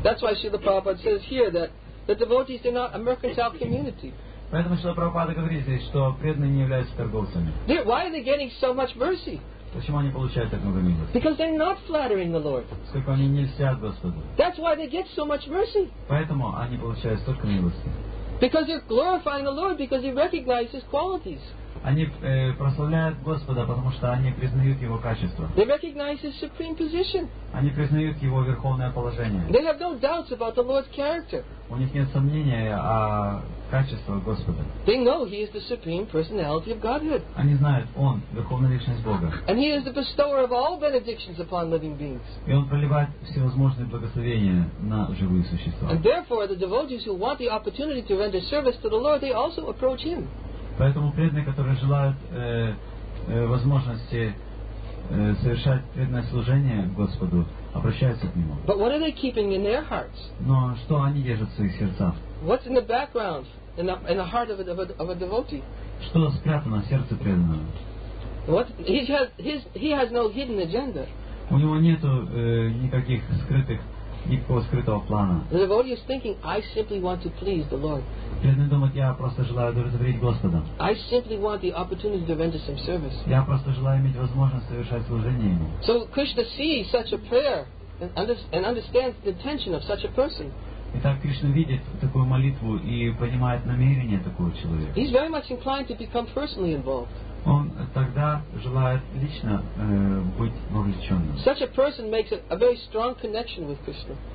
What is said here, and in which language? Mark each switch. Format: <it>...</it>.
<en>That's why Srila Prabhupada says here that the devotees are not a mercantile community.</en> <ru>Поэтому Srila Prabhupada говорит здесь, что преданные не являются торговцами.</ru> <en>Why are they getting so much mercy?</en> <ru>Почему они получают так много милости?</ru> <en>Because they're not flattering the Lord.</en> <ru>Сколько они не льстят Господу.</ru> <en>That's why they get so much mercy.</en> <ru>Поэтому они получают столько милости.</ru> <en>Because they're glorifying the Lord because he recognizes his qualities.</en> <ru>Они прославляют Господа, потому что они признают Его качество.</ru> <en>They recognize His supreme position.</en> <ru>Они признают Его верховное положение.</ru> <en>They have no doubts about the Lord's character.</en> <ru>У них нет сомнения о качестве Господа.</ru> <en>They know He is the supreme personality of Godhead.</en> <ru>Они знают, Он верховная личность Бога.</ru> <en>And He is the bestower of all benedictions upon living beings.</en> <ru>И Он проливает всевозможные благословения на живые существа.</ru> <en>And therefore, the devotees who want the opportunity to render service to the Lord, they also approach Him.</en> <ru>Поэтому преданные, которые желают возможности совершать преданное служение Господу, обращаются к Нему.</ru> <en>But what are they keeping in their hearts?</en> <ru>Но что они держат в своих сердцах?</ru> <en>What's in the background, in the heart of a devotee?</en> <ru>Что спрятано в сердце преданного?</ru> <en>He has no hidden agenda.</en> <ru>У него нету никаких скрытых. Никакого скрытого плана.</ru> <en>The devotee is thinking, I simply want to please the Lord.</en> <ru>Преданный думает, я просто желаю удовлетворить Господа.</ru> <en>I simply want the opportunity to render some service.</en> <ru>Я просто желаю иметь возможность совершать служение Ему.</ru> <en>So Krishna sees such a prayer and understands the intention of such a person.</en> <ru>Итак, Кришна видит такую молитву и понимает намерение такого человека.</ru> <en>He's very much inclined to become personally involved.</en> <ru>Он тогда желает лично быть вовлеченным.</ru> <en>Such a person makes a very strong connection with Krishna.</en>